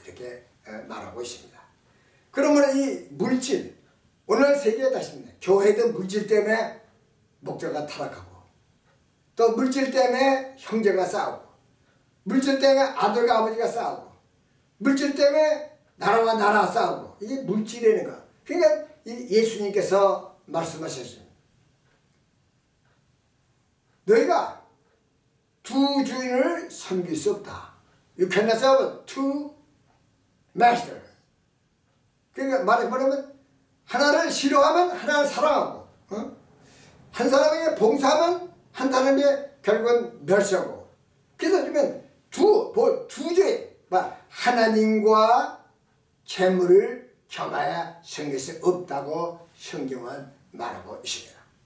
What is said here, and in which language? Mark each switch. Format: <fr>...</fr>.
<ko>이렇게 말하고 있습니다. 그러면 이 물질, 오늘 세계에 다시, 교회도 물질 때문에 목자가 타락하고, 또 물질 때문에 형제가 싸우고, 물질 때문에 아들과 아버지가 싸우고, 물질 때문에 나라와 나라 싸우고, 이게 물질이라는 거. 그러니까 예수님께서 말씀하셨습니다. 너희가 두 주인을 섬길 수 없다.</ko> <en>You cannot serve two masters.</en> <ko>그러니까 말해보려면 하나를 싫어하면 하나를 사랑하고 어? 한 사람에게 봉사하면 한 사람에게 결국은 멸시하고 그래서 그러면 두 죄 하나님과 재물을 겸하여 섬길 수 없다고 성경은 말하고 있습니다.</ko>